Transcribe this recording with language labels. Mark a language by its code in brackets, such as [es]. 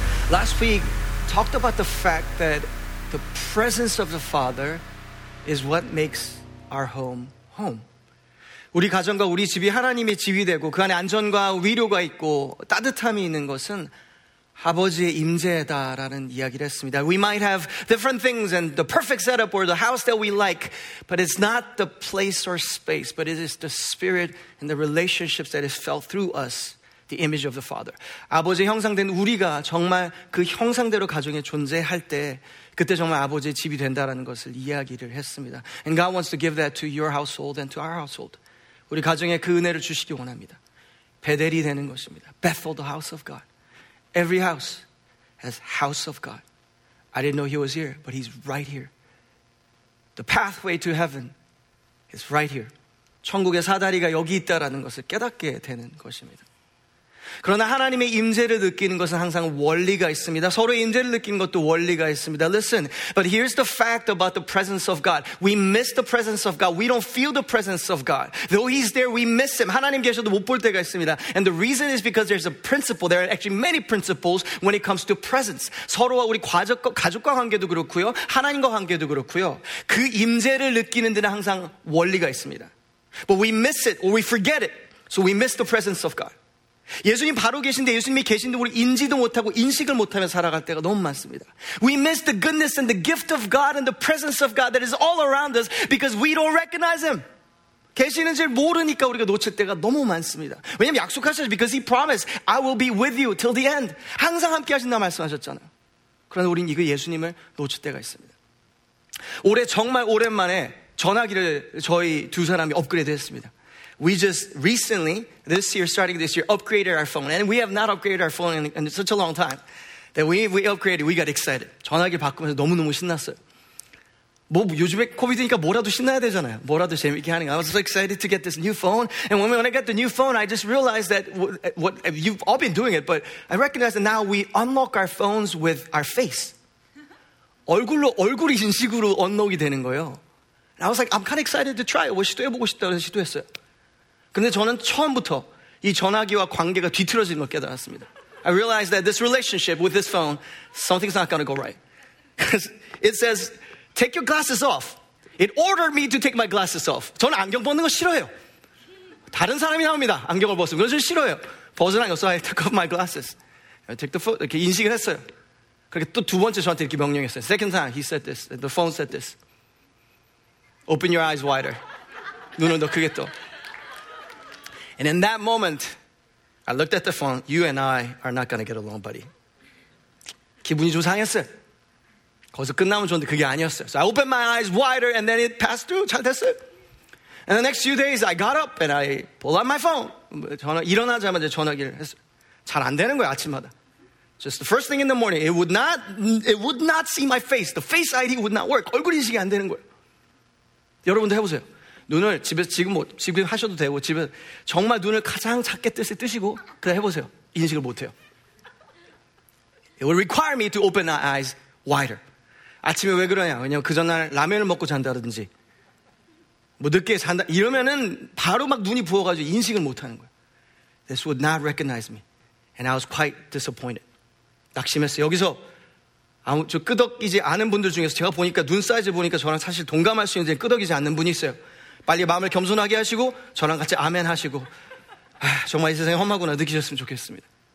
[en] Last week talked about the fact that the presence of the Father is what makes our home home. [ko] 우리 가정과 우리 집이 하나님의 집이 되고 그 안에 안전과 위로가 있고 따뜻함이 있는 것은 아버지의 임재다라는 이야기를 했습니다. [en] We might have different things and the perfect setup or the house that we like, but it's not the place or space, but it is the spirit and the relationships that is felt through us, the image of the Father. [ko] 아버지의 형상된 우리가 정말 그 형상대로 가정에 존재할 때 그때 정말 아버지의 집이 된다라는 것을 이야기를 했습니다. [en] And God wants to give that to your household and to our household. [ko] 우리 가정에 그 은혜를 주시기 원합니다. 베델이 되는 것입니다. [en] Bethel, the house of God. Every house has house of God. I didn't know he was here, but he's right here. The pathway to heaven is right here. [ko] 천국의 사다리가 여기 있다라는 것을 깨닫게 되는 것입니다. 그러나 하나님의 임재를 느끼는 것은 항상 원리가 있습니다. 서로 임재를 느낀 것도 원리가 있습니다. [en] Listen, but here's the fact about the presence of God. We miss the presence of God. We don't feel the presence of God. Though he's there, we miss him. [ko] 하나님 계셔도 못 볼 때가 있습니다. [en] And the reason is because there's a principle. There are actually many principles when it comes to presence. [ko] 서로와 우리 가족과 관계도 그렇고요. 하나님과 관계도 그렇고요. 그 임재를 느끼는 데는 항상 원리가 있습니다. [en] But we miss it or we forget it. So we miss the presence of God. [ko] 예수님 바로 계신데 예수님이 계신데 우리 인지도 못하고 인식을 못하며 살아갈 때가 너무 많습니다. [en] We miss the goodness and the gift of God and the presence of God that is all around us because we don't recognize him. [ko] 계시는지 모르니까 우리가 놓칠 때가 너무 많습니다. 왜냐면 약속하셨죠. [en] Because he promised, I will be with you till the end. [ko] 항상 함께 하신다 말씀하셨잖아요. 그런데 우린 이거 예수님을 놓칠 때가 있습니다. 올해 정말 오랜만에 전화기를 저희 두 사람이 업그레이드 했습니다. [en] We just recently, this year, starting this year, upgraded our phone. And we have not upgraded our phone in such a long time that we upgraded. We got excited. [ko] 전화기 바꾸면서 너무너무 신났어요. 뭐 요즘에 코비드니까 뭐라도 신나야 되잖아요. 뭐라도 재밌게 하는 거. [en] I was so excited to get this new phone. And when I got the new phone, I just realized that what you've all been doing it, but I recognize that now we unlock our phones with our face. [ko] 얼굴로 얼굴이 인식으로 언록이 되는 거예요. [en] And I was like, I'm kind of excited to try it. [ko] 뭐 시도해보고 싶다고 시도했어요. 근데 저는 처음부터 이 전화기와 관계가 뒤틀어지는 걸 깨달았습니다. [en] I realized that this relationship with this phone, something's not going to go right. Because it says, take your glasses off. It ordered me to take my glasses off. [ko] 저는 안경 벗는 거 싫어요. 다른 사람이 나옵니다. 안경을 벗으면. 그건 좀 싫어요. 벗으란 거. So [en] I took off my glasses. I took the phone. [ko] 이렇게 인식을 했어요. 그렇게 또 두 번째 저한테 이렇게 명령했어요. [en] Second time, he said this. The phone said this. Open your eyes wider. [ko] 눈을 더 크게 떠. [en] And in that moment, I looked at the phone. You and I are not going to get along, buddy. [ko] 기분이 좀 상했어요. 거기서 끝나면 좋은데 그게 아니었어요. [en] So I opened my eyes wider and then it passed through. [ko] 잘 됐어요. [en] And the next few days, I got up and I pulled out my phone. [ko] 일어나자마자 전화기를 했어요. 잘 안 되는 거예요, 아침마다. [en] Just the first thing in the morning, it would not see my face. The face ID would not work. [ko] 얼굴 인식이 안 되는 거예요. 여러분도 해보세요. 눈을 집에 지금 뭐 지금 하셔도 되고 집에 정말 눈을 가장 작게 뜨세요. 뜨시고 그다음 해보세요. 인식을 못해요. [en] It will require me to open my eyes wider. [ko] 아침에 왜 그러냐? 왜냐면 그 전날 라면을 먹고 잔다든지 뭐 늦게 잔다 이러면은 바로 막 눈이 부어가지고 인식을 못하는 거예요. [en] This would not recognize me, and I was quite disappointed. [ko] 낙심했어요. 여기서 아무 저 끄덕이지 않은 분들 중에서 제가 보니까 눈 사이즈 보니까 저랑 사실 동감할 수 있는 끄덕이지 않는 분이 있어요. 빨리 마음을 겸손하게 하시고 저랑 같이 아멘 하시고 아, 정말 이 세상이 험하구나 느끼셨으면 좋겠습니다.